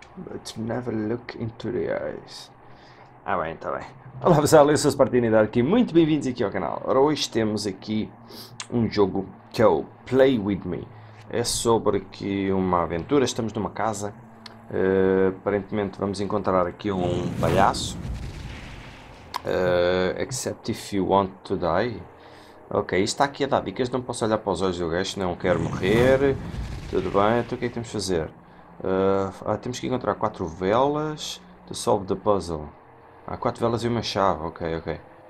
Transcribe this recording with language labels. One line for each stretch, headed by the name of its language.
English: Let's never look into the eyes.
Portuguese: Ah, bem, está bem. Olá pessoal, eu sou o Spartini Dark, muito bem-vindos aqui ao canal. Ora, hoje temos aqui um jogo que é o Play With Me. É sobre aqui uma aventura. Estamos numa casa. Aparentemente vamos encontrar aqui um palhaço.
English: Except if you want to die.
Portuguese: Ok, isto está aqui a dar dicas. Não posso olhar para os olhos do gajo, não quero morrer. Tudo bem, então o que é que temos de fazer? Temos que encontrar quatro velas
English: to solve the puzzle.
Portuguese: Há quatro velas e uma chave, ok.